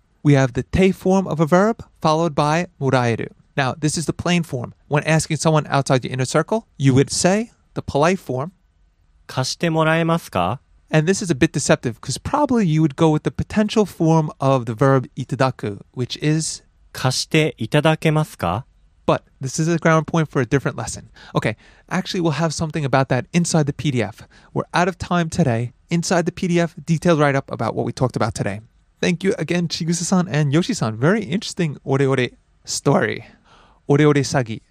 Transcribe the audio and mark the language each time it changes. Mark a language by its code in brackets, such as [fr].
[en] We have the て form of a verb followed by もらえる. Now, this is the plain form. When asking someone outside your inner circle, you would say the polite form, [ja] 貸してもらえますか? [en] And this is a bit deceptive because probably you would go with the potential form of the verb いただく, which is [ja] 貸していただけますか? [en] But this is a grammar point for a different lesson. Okay, actually we'll have something about that inside the PDF. We're out of time today. Inside the PDF, detailed write-up about what we talked about today. Thank you again, Chigusa-san and Yoshi-san. Very interesting ore-ore story. Oreore Sagi.